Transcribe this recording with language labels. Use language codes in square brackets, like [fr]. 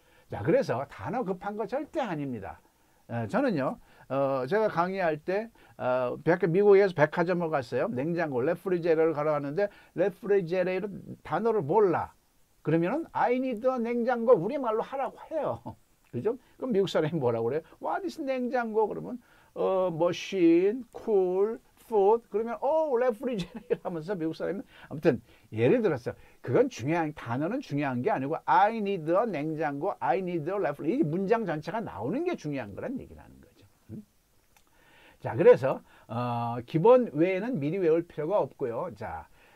[ko] 자, 그래서 단어 급한 거 절대 아닙니다. 저는요, 제가 강의할 때, 미국에서 백화점을 갔어요. 냉장고, 레프리제러를 가러 갔는데, 레프리제러 단어를 몰라. 그러면은 [en] I need a [ko] 냉장고 우리말로 하라고 해요. 그죠? 그럼 미국 사람이 뭐라고 그래요? [en] What is 냉장고? 그러면 machine, cool, food. [ko] 그러면 refrigerator 하면서 미국 사람이 아무튼 예를 들었어요. 그건 중요한 단어는 중요한 게 아니고 [en] I need a 냉장고, I need a refrigerator. [ko] 이 문장 전체가 나오는 게 중요한 거란 얘기를 하는 거죠. 자, 그래서 기본 외에는 미리 외울 필요가 없고요. 자.